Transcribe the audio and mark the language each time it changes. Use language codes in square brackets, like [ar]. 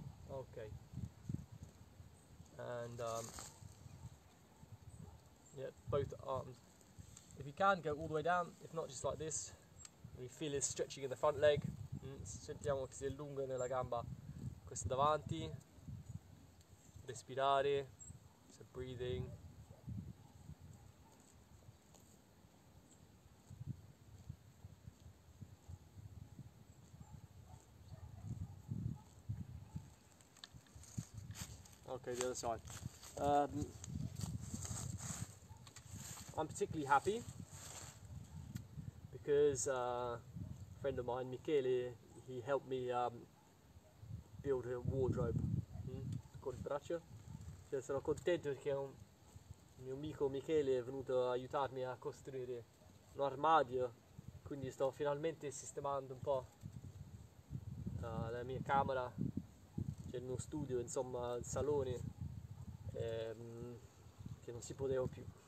[en] Okay. Yeah, both arms. If you can, go all the way down. If not, just like this. We feel it stretching in the front leg. [it] Sentiamo che si allunga nella gamba. Questa davanti. Respirare. [en] So breathing. Okay, the other side. I'm particularly happy because a friend of mine, Michele, he helped me build a wardrobe. [it] Con il braccio. Cioè, sono contento perché un mio amico Michele è venuto ad aiutarmi a costruire un armadio. Quindi sto finalmente sistemando un po' la mia camera, cioè il mio studio, insomma, il salone, che non si poteva più.